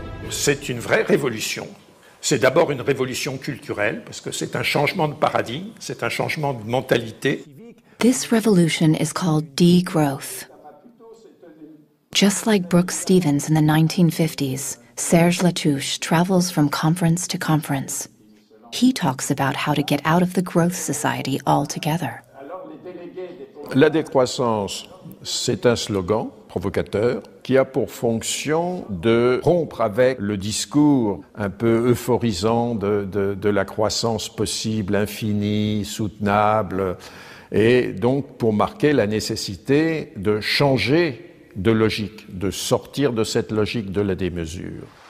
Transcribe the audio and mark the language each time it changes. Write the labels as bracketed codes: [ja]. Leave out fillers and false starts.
[fr] C'est une vraie révolution. C'est d'abord une révolution culturelle, parce que c'est un changement de paradigme, c'est un changement de mentalité. [en] This revolution is called degrowth. Just like Brooke Stevens in the 1950s, Serge Latouche travels from conference to conference. He talks about how to get out of the growth society altogether. [fr] La décroissance, c'est un slogan provocateur qui a pour fonction de rompre avec le discours un peu euphorisant de la croissance possible, infinie, soutenable, et donc pour marquer la nécessité de changer de logique, de sortir de cette logique de la démesure.